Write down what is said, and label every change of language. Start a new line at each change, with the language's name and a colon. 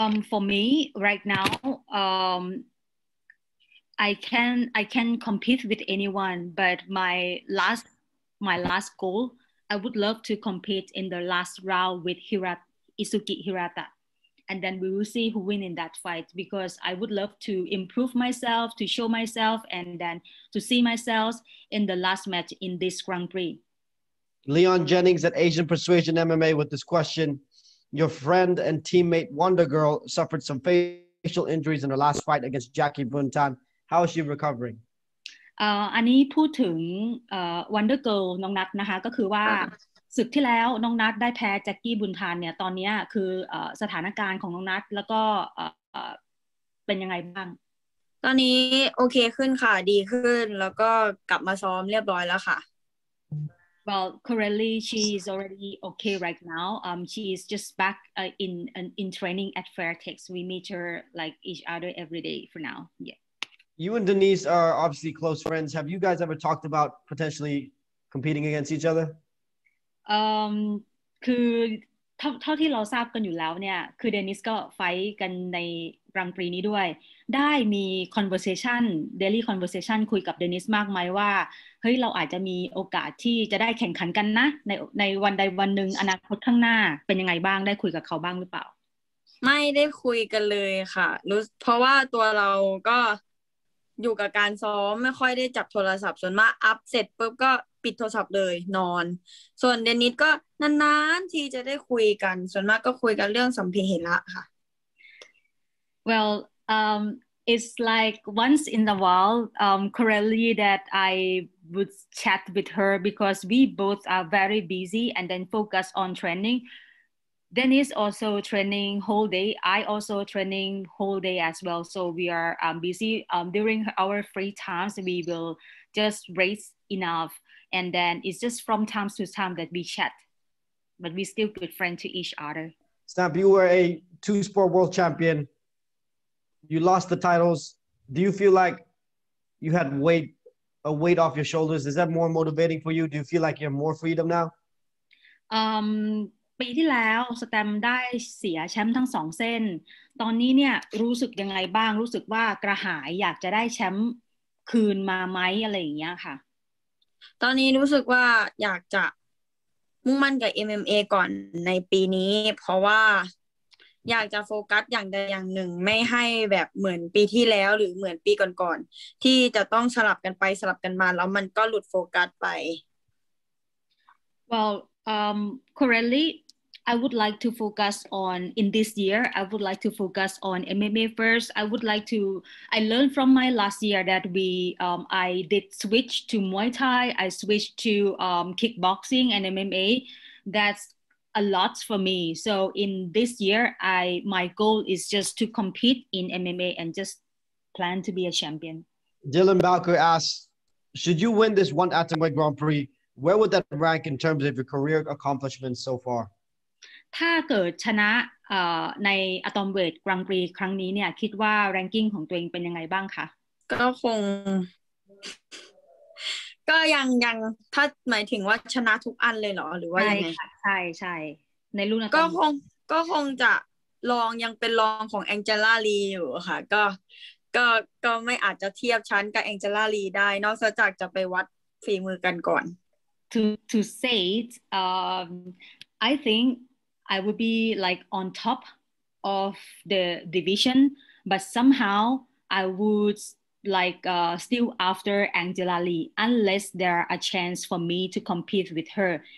English: For me right now I can compete with anyone but my last goal I would love to compete in the last round with Izuki Hirata and then we will see who win in that fight because I would love to improve myself to show myself and then to see myself in the last match in this Grand Prix. Leon Jennings at Asian Persuasion MMA with this question. Your friend and teammate Wonder Girl suffered some facial injuries in her last fight against Jackie Buntan. How is she recovering?
Thai: อันนี้พูดถึง Wonder Girl น้องนัทนะคะก็คือว่าศึกที่แล้วน้องนัทได้แพ้ Jackie Buntan เนี่ยตอนนี้คือสถานการณ์ของน้องนัทแล้วก็เป็นยังไงบ้าง ตอนนี้โอเคขึ้นค่ะดีขึ้นแล้วก็กลับมาซ้อมเรียบร้อยแล้วค่ะ
English: Well, currently she is already okay right now. She is just back in training at Fairtex. We meet her like each other every day for now. Yeah. You and Denise are obviously close friends. Have you guys ever talked about potentially competing against each other?
Thai: คือเท่าที่เราทราบกันอยู่แล้วเนี่ยคือเดนิสก็ไฟท์กันในกรังปรีนี้ด้วยได้มี
English: conversation daily conversation
Thai: คุยกับเดนิสมากไหมว่าเฮ้ยเราอาจจะมีโอกาสที่จะได้แข่งขันกันนะในวันใดวันหนึ่งอนาคตข้างหน้าเป็นยังไงบ้างได้คุยกับเขาบ้างหรือเปล่า ไม่ได้คุยกันเลยค่ะรู้เพราะว่าตัวเราก็อยู่กับการซ้อมไม่ค่อยได้จับโทรศัพท์ส่วนมากอัพเสร็จปุ๊บก็ปิดโทรศัพท์เลยนอนส่วนเดนิสก็นานๆทีจะได้คุยกันส่วนมากก็คุยกันเรื่องสัมภาระค่ะ
English: Well it's like once in a while currently that I would chat with her because we both are very busy and then focus on training. Dennis also training whole day. I also training whole day as well. So we are busy during our free times. We will just race enough. And then it's just from time to time that we chat, but we still good friends to each other. Stamp, you were a two sport world champion. You lost the titles. Do you feel like you had a weight off your shoulders? Is that more motivating for you? Do you feel like you have more freedom now?
Thai: ปีที่แล้วสแตมได้เสียแชมป์ทั้งสองเส้นตอนนี้เนี่ยรู้สึกยังไงบ้างรู้สึกว่ากระหายอยากจะได้แชมป์คืนมาไหมอะไรอย่างเงี้ยค่ะ ตอนนี้รู้สึกว่าอยากจะมุ่งมั่นกับ MMA ก่อนในปีนี้เพราะว่าอยากจะโฟกัสอย่างใดอย่างหนึ่งไม่ให้แบบเหมือนปีที่แล้วหรือเหมือนปีก่อนๆที่จะต้องสลับกันไปสลับกันมาแล้วมันก็หลุดโฟกัสไป
English: Well currently I would like to focus on in this year. I would like to focus on MMA first. I would like to. I learned from my last year that we. I did switch to Muay Thai. I switched to kickboxing and MMA. That's a lot for me. So in this year, my goal is just to compete in MMA and just plan to be a champion. Dylan Balker asks, should you win this one at the Grand Prix? Where would that rank in terms of your career accomplishments so far?
Thai: ถ้าเกิดชนะในอะตอมเวทกรังกรีครั้งนี้เนี่ยคิดว่าแรงกิ้งของตัวเองเป็นยังไงบ้างคะ ก็คงก็ยังถ้าหมายถึงว่าชนะทุกอันเลยเหรอหรือว่ายังไง ใช่ใช่ในรุ่น ก็คงจะรองยังเป็นรองของแองเจล่าลีอยู่ค่ะก็ไม่อาจจะเทียบชั้นกับแองเจล่าลีได้นอกจากจะไปวัดฝีมือกันก่อน
English: to say it, I thinkI would be like on top of the division, but somehow I would like still after Angela Lee, unless there are a chance for me to compete with her.